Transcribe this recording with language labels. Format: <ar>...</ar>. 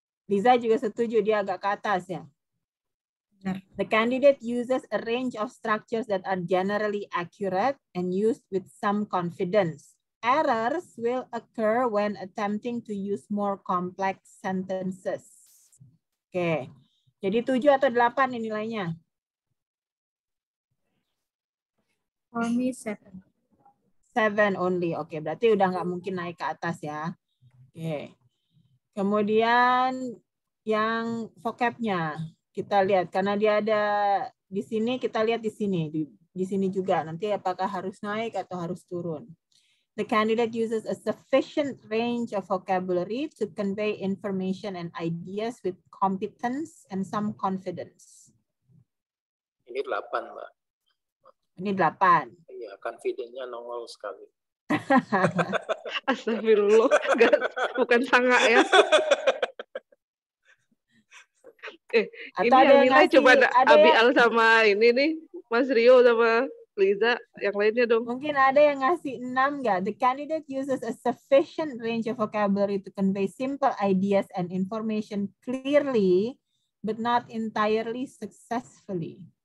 <id>Liza juga setuju, dia agak ke atas ya.</id> <en>The candidate uses a range of structures that are generally accurate and used with some confidence. Errors will occur when attempting to use more complex sentences.</en> <id>Oke. Okay. Jadi 7 atau 8 ini nilainya?</id> <en>Only 7. 7 only. Oke, okay.</en> <id>Berarti udah enggak mungkin naik ke atas ya. Oke. Okay. Kemudian yang vocab-nya kita lihat karena dia ada di sini, kita lihat di sini. Di sini juga nanti apakah harus naik atau harus turun.</id> <en>The candidate uses a sufficient range of vocabulary to convey information and ideas with competence and some confidence.</en> <id>Ini 8, Mbak. Ini 8. Iya, confidence-nya nongol sekali. Astagfirullah, bukan sangat ya. Ini yang nilai cuma Abial sama ini nih, Mas Rio sama Liza, yang lainnya dong. Mungkin ada yang ngasih 6 nggak?</id> <en>The candidate uses a sufficient range of vocabulary to convey simple ideas and information clearly, but not entirely successfully.</en>